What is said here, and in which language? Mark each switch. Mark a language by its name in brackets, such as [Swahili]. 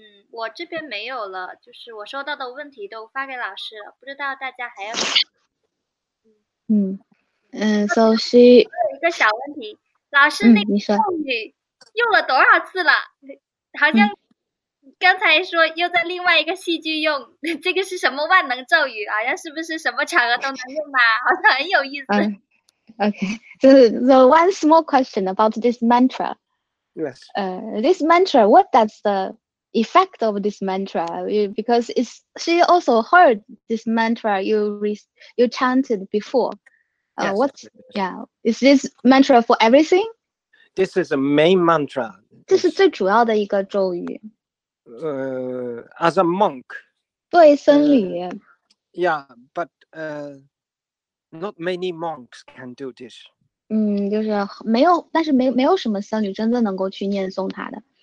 [Chinese] 我这边没有了，就是我收到的问题都发给老师了，不知道大家还有。 [English] So she [Chinese] 一个小问题，老师那个咒语用了多少次了？好像。刚才说又在另外一个戏剧用，这个是什么万能咒语啊？要是不是什么场合都能用吗？好像很有意思。 [English] Okay, so one small question about this mantra. Yes. This mantra, what does the effect of this mantra? Because it's she also heard this mantra you chanted before. Yes. Is this mantra for everything? This is a main mantra. [Chinese] 这是最主要的一个咒语。 [English] As a monk, [Chinese] 对僧侣。 [English] Yeah, but not many monks can do this. [Chinese] 就是没有，但是没有什么僧侣真的能够去念诵他的。